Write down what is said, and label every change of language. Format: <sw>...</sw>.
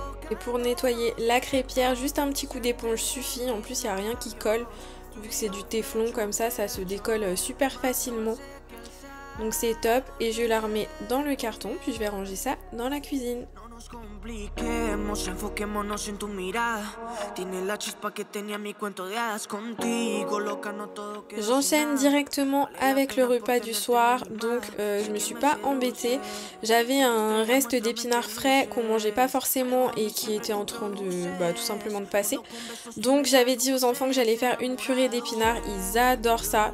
<fr>Et pour nettoyer la crêpière, juste un petit coup d'éponge suffit, en plus il n'y a rien qui colle, vu que c'est du téflon comme ça, ça se décolle super facilement. Donc c'est top et je la remets dans le carton puis je vais ranger ça dans la cuisine. Non, non.</fr> <es>nos compliquemos, enfoquémonos en tu mirada. Tiene la chispa que tenía mi cuento de hadas contigo, loca, no todo que...</es> <fr>J'enchaîne directement avec le repas du soir, donc je me suis pas embêtée. J'avais un reste d'épinards frais qu'on mangeait pas forcément et qui était en train de tout simplement de passer. Donc j'avais dit aux enfants que j'allais faire une purée d'épinards, ils adorent ça.</fr>